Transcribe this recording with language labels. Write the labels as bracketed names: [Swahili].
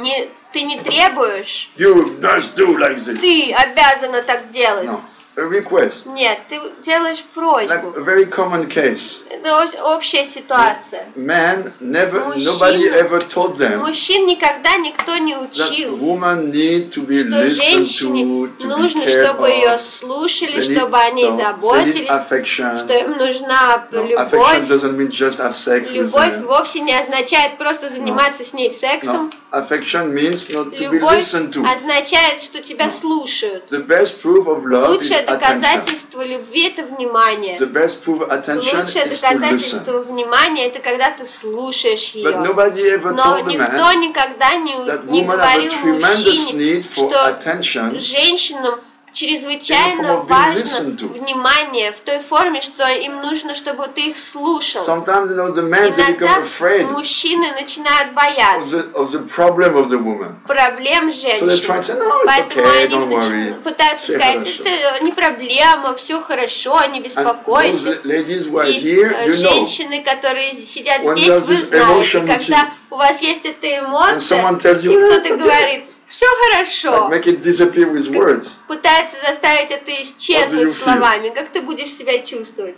[Russian] Не, ты не требуешь. [English] You must do like this. [Russian] Ты обязана так делать. [English] No. A request. [Russian] Нет, ты делаешь просьбу. [English] Like a very common case. [Russian] Это общая ситуация. [English] Man never, [Russian] мужчин, [English] nobody ever told them. [Russian] Мужчин никогда никто не учил. [English] That woman need to be listened to, to [Russian] нужно, [English] be cared [Russian] чтобы [English] of. [Russian] Ее слушали, [English] they [Russian] чтобы [English] need, [Russian] о ней [English] no, [Russian] заботились. [English] Affection. [Russian] Что им нужна любовь. [English] Affection doesn't mean just have sex with [Russian] Любовь [English] them. [Russian] Вовсе не означает просто заниматься с ней сексом. [English] Affection means not to [Russian] любовь [English] be listened to. [Russian] Означает, что тебя слушают. [English] The best proof of love is [Russian] доказательство любви — это внимание. [English] The best proof of attention [Russian] Лучшее [English] is [Russian] доказательство [English] to [Russian] внимания — это когда ты слушаешь ее. [English] But nobody ever [Russian] Но [English] told [Russian] никто [English] the man [Russian] никогда не говорил мужчине, что attention женщинам чрезвычайно важно внимание в той форме, что им нужно, чтобы ты их слушал. [English] Sometimes, you know, the men become afraid. [Russian] Иногда мужчины начинают бояться [English] of the problem of the woman. [Russian] Проблем женщины. [English] So they try to say, no, it's okay, don't worry. [Russian] Пытаются [English] say [Russian] сказать, это не проблема, все хорошо, не беспокойся. И женщины, которые сидят здесь, вы знаете, когда у вас есть эта эмоция, [English] you, [Russian] и кто-то говорит, все хорошо. [English] Like make it disappear with words. [Russian] Пытается заставить это исчезнуть словами. Как ты будешь себя чувствовать?